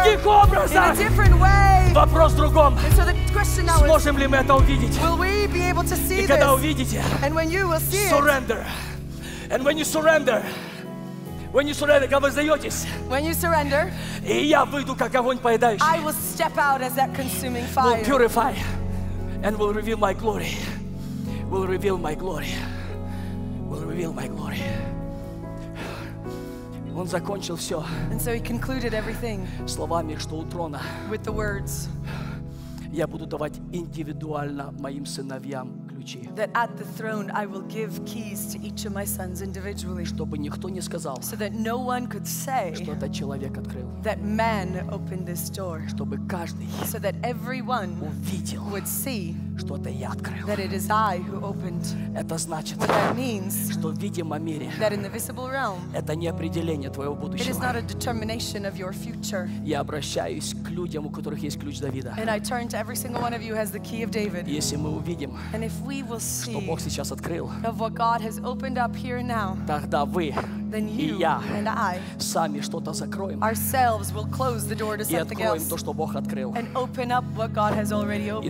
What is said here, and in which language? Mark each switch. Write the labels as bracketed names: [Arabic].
[English] In a different way. [Russian] Вопрос в другом. [English] And so the question now [Russian] сможем [English] is, [Russian] ли мы это увидеть? [English] Will we be able to see [Russian] и когда [English] this? [Russian] Увидите, [English] and when you will see surrender. It. And when you surrender. When you surrender, [Russian] когда вы сдаетесь, [English] when you surrender, [Russian] и я выйду, как огонь поедающий, [English] I will step out as that consuming fire. Will purify. And will reveal my glory. Will reveal my glory. Will reveal my glory. [Russian] Он закончил все. [English] And so he concluded everything. [Russian] Словами, что у трона. [English] With the words. [Russian] Я буду давать индивидуально моим сыновьям ключи. [English] That at the throne I will give keys to each of my sons individually. [Russian] Чтобы никто не сказал. [English] So that no one could say. [Russian] Что этот человек открыл. [English] That man opened this door. [Russian] Чтобы каждый. [English] So that everyone [Russian] увидел. [English] Would see. [Russian] Что это я открыл. [English] That it is I who opened. [Russian] Это значит. [English] What that means. [Russian] Что в видимом мире. [English] That in the visible realm. [Russian] Это не определение твоего будущего. [English] It is not a determination of your future. [Russian] Я обращаюсь к людям, у которых есть ключ Давида. [English] And I turn to every single one of you who has the key of David. [Russian] Если мы увидим. [English] And if we will see. [Russian] Что Бог сейчас открыл. [English] Of what God has opened up here now. [Russian] Тогда вы. [English] then you and I [Russian] сами что-то закроем. [English] Ourselves will close the door to something [Russian] и откроем [English] else [Russian] то, что Бог открыл. [English] And open up what God has already opened.